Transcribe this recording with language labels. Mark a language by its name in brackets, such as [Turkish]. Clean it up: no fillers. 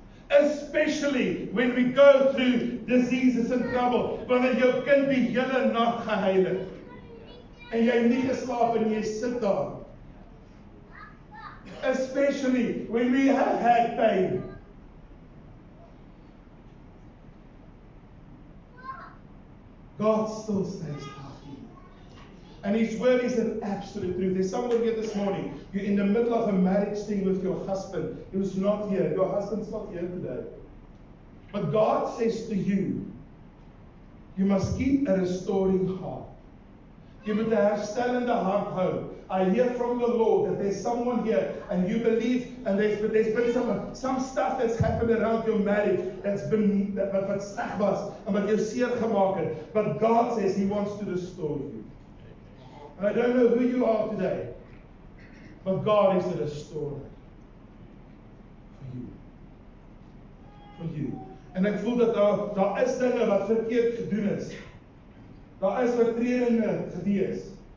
[English] Especially when we go through diseases and trouble. [Afrikaans] Wanneer jou kind die hele nag gehuil het. En jy nie geslaap en jy sit daar. [English] Especially when we have had pain. God still stays there. And his word is an absolute truth. There's someone here this morning. You're in the middle of a marriage thing with your husband. He's not here. Your husband's not here today. But God says to you, you must keep a restoring heart. You must have [Afrikaans] herstellende hart hou. [English] I hear from the Lord that there's someone here and you believe and there's been some stuff that's happened around your marriage that's been [Afrikaans] wat sleg was [English] and [Afrikaans] wat jou seer gemaak het. [English] But God says he wants to restore you. And I don't know who you are today, but God is the restorer for you. For you. [Afrikaans] And ek voel dat daar is dinge wat verkeerd gedoen is. Daar is oortredinge gewees.